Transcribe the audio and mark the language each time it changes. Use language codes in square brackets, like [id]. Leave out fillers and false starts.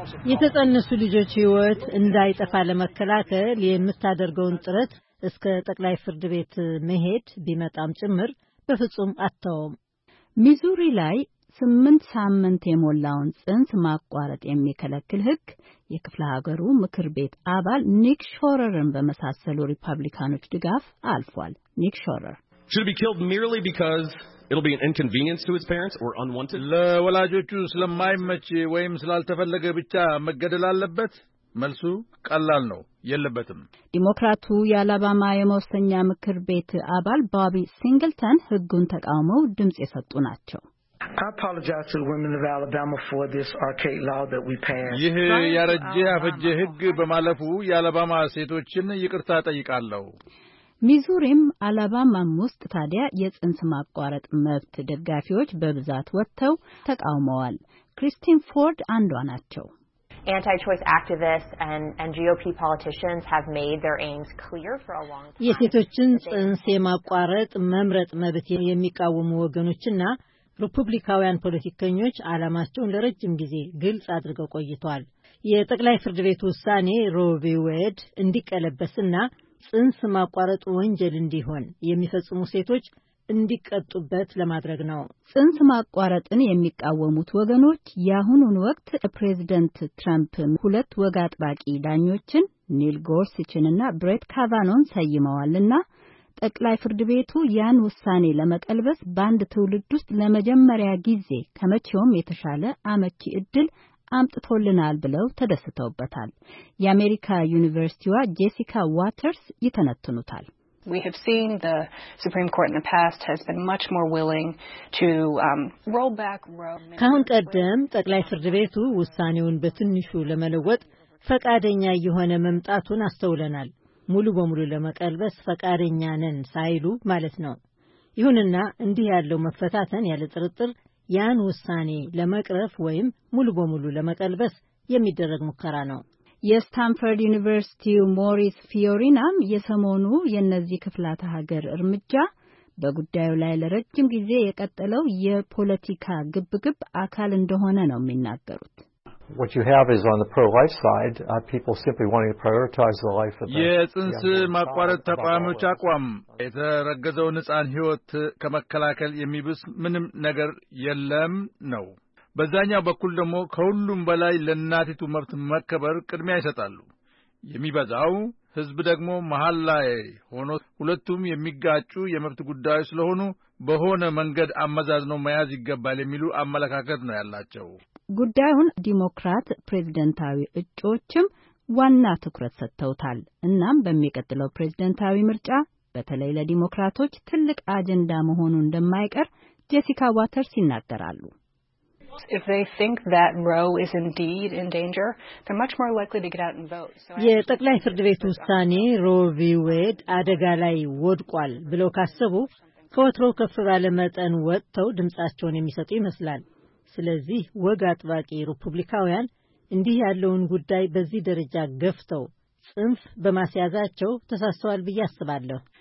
[am] የተጸነሱ ልጆች ሕይወት እንዳይጠፋ ለመከላከል የምታደርገውን ጥረት እስከ ጠቅላይ ፍርድ ቤት መሄድ ቢመጣም ጭምር በፍጹም አተውም። ሚዙሪ ላይ 8 ሳምንት የሞላውን ጽንስ ማቋረጥ የሚከለክል ሕግ የክፍለ ሀገሩ ምክር ቤት አባል ኒክ ሾረርን በመሳሰሉ ሪፐብሊካኖች ድጋፍ አልፏል። ኒክ ሾረር [en] should be killed merely because it'll be an inconvenience to his parents or unwanted [am] ለወላጆቹ ስለማይመች ወይም ስላልተፈለገ ብቻ መገደል አለበት? መልሱ ቀላል ነው፣ የለበትም። ዲሞክራቱ የአላባማ የመወሰኛ ምክር ቤት አባል ባቢ ሲንግልተን ህጉን ተቃውመው ድምጽ የሰጡ ናቸው። [en] I apologize to the women of Alabama for this archaic law that we passed. [am] ይህ ያረጀ አፈጀ ህግ በማለፉ የአላባማ ሴቶችን ይቅርታ ጠይቃለሁ። ሚዙሪም አላባማም ውስጥ ታዲያ የጽንስ ማቋረጥ መብት ደጋፊዎች በብዛት ወጥተው ተቃውመዋል። ክሪስቲን ፎርድ አንዷ ናቸው። [en] Anti-choice activists and GOP politicians have made their aims clear for a long time. [am] የሴቶችን ጽንስ የማቋረጥ መምረጥ መብት የሚቃወሙ ወገኖችና ሪፑብሊካውያን ፖለቲከኞች አላማቸውን ለረጅም ጊዜ ግልጽ አድርገው ቆይቷል። የጠቅላይ ፍርድ ቤት ውሳኔ ሮቪ ዌድ እንዲቀለበስና ጽንስ ማቋረጥ ወንጀል እንዲሆን የሚፈጽሙ ሴቶች እንዲቀጡበት ለማድረግ ነው። ጽንስ ማቋረጥን የሚቃወሙት ወገኖች ያሁኑን ወቅት ፕሬዝዳንት ትራምፕን 2 ወግ አጥባቂ ዳኞችን ኒል ጎርስችንና ብሬት ካቫኖን ሰይመዋልና ጠቅላይ ፍርድ ቤቱ ያን ውሳኔ ለመቀልበስ በአንድ ትውልድ ውስጥ ለመጀመሪያ ጊዜ ከመቼውም የተሻለ አመቺ እድል አምጥቶልናል ብለው ተደስተውበታል። የአሜሪካ ዩኒቨርሲቲዋ ጄሲካ ዋተርስ ይተነትኑታል። [en] We have seen the Supreme Court in the past has been much more willing to roll back Roe. [am] ካሁን ቀደም ጠቅላይ ፍርድ ቤቱ ውሳኔውን በትንሹ ለመለወጥ ፈቃደኛ የሆነ መምጣቱን አስተውለናል። ሙሉ በሙሉ ለመቀልበስ ፈቃደኛ ነን ሳይሉ ማለት ነው። ይሁንና እንዲህ ያለው መፈታተን ያለ ጥርጥር ያን ውሳኔ ለመቅረፍ ወይም ሙሉ በሙሉ ለመቀልበስ የሚደረግ ሙከራ ነው። የስታንፎርድ ዩኒቨርሲቲው ሞሪስ ፊዮሪናም የሰሞኑ የነዚህ ክፍላተ ሀገር እርምጃ በጉዳዩ ላይ ለረጅም ጊዜ የቀጠለው የፖለቲካ ግብግብ አካል እንደሆነ ነው የሚናገሩት። [en] What you have is on the pro-life side, people simply wanting to prioritize the life of the [am] የጽንስ ማቋረጥ ተቋሞች አቋም የተረገዘው ንጻን ህይወት ከመከላከል የሚብስ ምንም ነገር የለም ነው። በዛኛው በኩል ደግሞ ከሁሉም በላይ ለናቲቱ መብት መከበር ቅድሚያ ይሰጣሉ። የሚበዛው ህዝብ ደግሞ መሃል ላይ ሆኖ ሁለቱም የሚጋጩ የመብት ጉዳዮች ስለሆኑ በሆነ መንገድ አመዛዝነው መያዝ ይገባል የሚሉ አመለካከት ነው ያላቸው። ጉዳዩን ዲሞክራት ፕሬዝዳንታዊ እጩዎችም ዋና ትኩረት ሰጥተውታል። እናም በሚቀጥለው ፕሬዝዳንታዊ ምርጫ በተለይ ለዲሞክራቶች ትልቅ አጀንዳ መሆኑ እንደማይቀር ጄሲካ ዋተርስ ይናገራሉ። [en] If they think that Roe is indeed in danger, they're much more likely to get out and vote. [am] የጠቅላይ ፍርድ ቤት ውሳኔ Roe v. Wade አደጋ ላይ ወድቋል ብለው ካሰቡ ከወትሮው ከፍ ባለ መጠን ወጥተው ድምጻቸውን የሚሰጡ ይመስላል። ስለዚህ ወግ አጥባቂ ሪፑብሊካውያን እንዲህ ያለውን ጉዳይ በዚህ ደረጃ ገፍተው ጽንፍ በማስያዛቸው ተሳስተዋል ብዬ አስባለሁ።